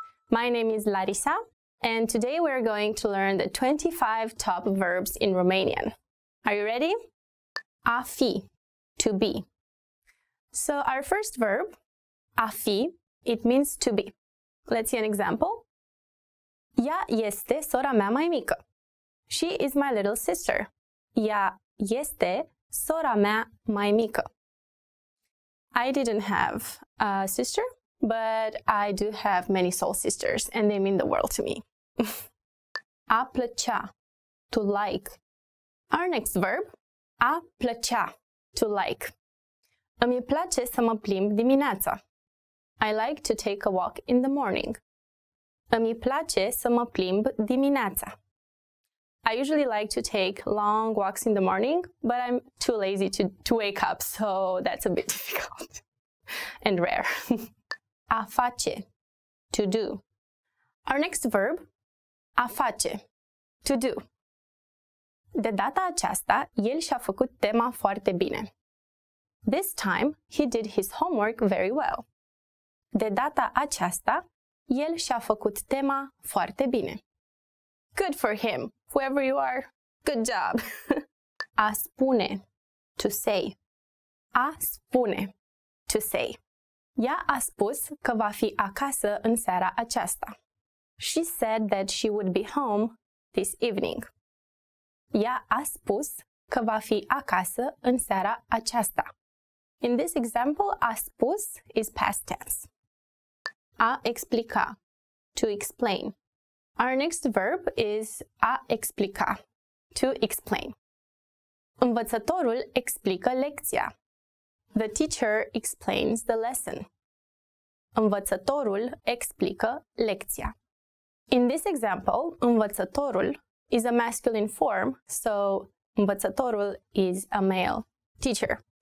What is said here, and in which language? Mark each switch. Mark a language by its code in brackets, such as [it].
[en] My name is Larisa, and today we're going to learn the 25 top verbs in Romanian. Are you ready? A fi, to be. So our first verb, a fi, it means to be. Let's see an example. [ro] Ea este sora mea mai mică. [en] She is my little sister. [ro] Ea este sora mea mai mică. [en] I didn't have a sister, but I do have many soul sisters, and they mean the world to me. A plăcea, to like. Our next verb, a plăcea, to like. [ro] Îmi place să mă plimb dimineața. [en] I like to take a walk in the morning. [ro] Îmi place să mă plimb dimineața. [en] I usually like to take long walks in the morning, but I'm too lazy to wake up, so that's a bit difficult and rare. A face, to do. Our next verb, a face, to do. [ro] De data aceasta, el și-a făcut tema foarte bine. [en] This time, he did his homework very well. [ro] De data aceasta, el și-a făcut tema foarte bine. [en] Good for him, whoever you are. Good job. A spune, to say. A spune, to say. [ro] Ea a spus că va fi acasă în seara aceasta. [en] She said that she would be home this evening. [ro] Ea a spus că va fi acasă în seara aceasta. [en] In this example, a spus is past tense. A explica, to explain. Our next verb is a explica, to explain. [ro] Învățătorul explică lecția. [en] The teacher explains the lesson. [ro] Învățătorul explică lecția. [en] In this example, învățătorul is a masculine form, so învățătorul is a male teacher.